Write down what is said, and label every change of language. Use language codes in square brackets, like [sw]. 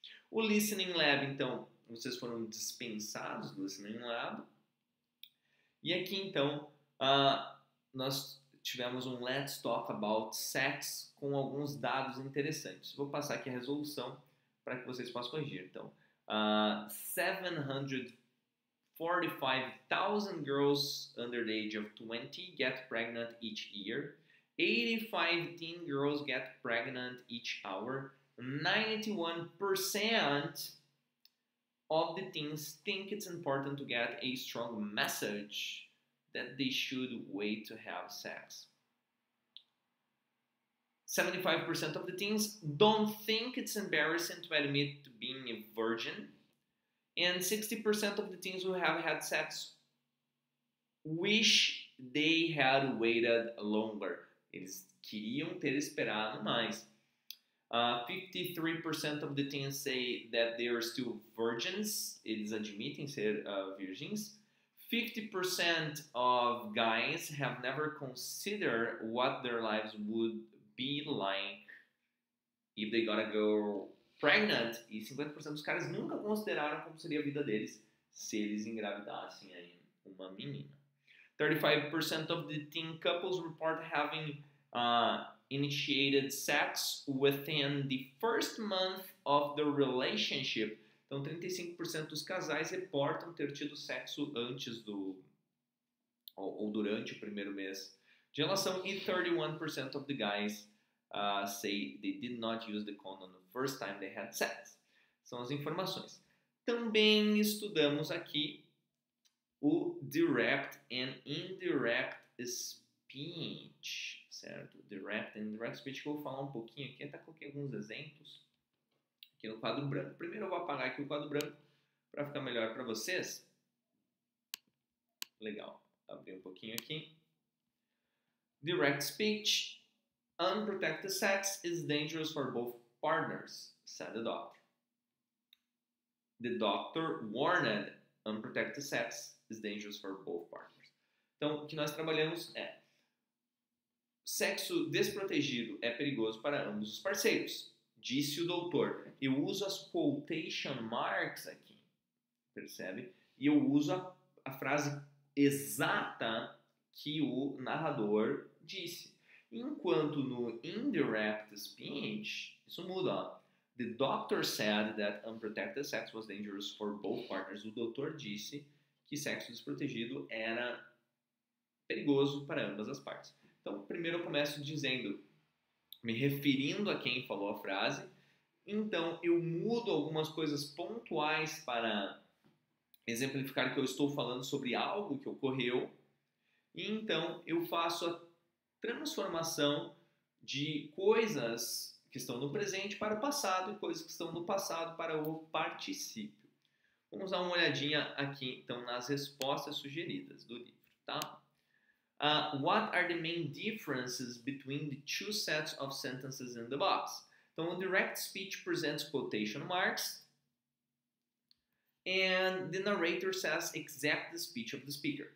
[pt] O listening lab, então, vocês foram dispensados do listening lab. E aqui, então, nós tivemos um Let's Talk About Sex com alguns dados interessantes. Vou passar aqui a resolução para que vocês possam corrigir. Então, [en] 745,000 girls under the age of 20 get pregnant each year. 85 teen girls get pregnant each hour. 91% of the teens think it's important to get a strong message that they should wait to have sex. 75% of the teens don't think it's embarrassing to admit to being a virgin. And 60% of the teens who have had sex wish they had waited longer. [pt] Eles queriam ter esperado mais. [en] 53% of the teens say that they are still virgins. [pt] Eles admitem ser [en] virgins. 50% of guys have never considered what their lives would be like if they got a girl pregnant. [pt] E 50% dos caras nunca consideraram como seria a vida deles se eles engravidassem aí uma menina. [en] 35% of the teen couples report having initiated sex within the first month of the relationship. [pt] Então, 35% dos casais reportam ter tido sexo antes do ou durante o primeiro mês de relação. [en] E 31% of the guys say they did not use the condom the first time they had sex. [pt] São as informações. Também estudamos aqui o direct and indirect speech, certo? Direct and indirect speech, que eu vou falar um pouquinho aqui, até coloquei alguns exemplos aqui no quadro branco. Primeiro eu vou apagar aqui o quadro branco para ficar melhor para vocês. Legal, abri um pouquinho aqui. [en] Direct speech, unprotected sex is dangerous for both partners, said the doctor. The doctor warned unprotected sex is dangerous for both partners. [pt] Então, o que nós trabalhamos é sexo desprotegido é perigoso para ambos os parceiros, disse o doutor. Eu uso as quotation marks aqui, percebe? E eu uso a frase exata que o narrador disse. Enquanto no indirect speech, isso muda, ó. [en] The doctor said that unprotected sex was dangerous for both partners. [pt] O doutor disse que sexo desprotegido era perigoso para ambas as partes. Então, primeiro eu começo dizendo, me referindo a quem falou a frase, então eu mudo algumas coisas pontuais para exemplificar que eu estou falando sobre algo que ocorreu, e então eu faço a transformação de coisas que estão no presente para o passado e coisas que estão no passado para o participio. Vamos dar uma olhadinha aqui, então, nas respostas sugeridas do livro, tá? [en] What are the main differences between the two sets of sentences in the box? [pt] Então, o [en] direct speech presents quotation marks. And the narrator says exact the speech of the speaker.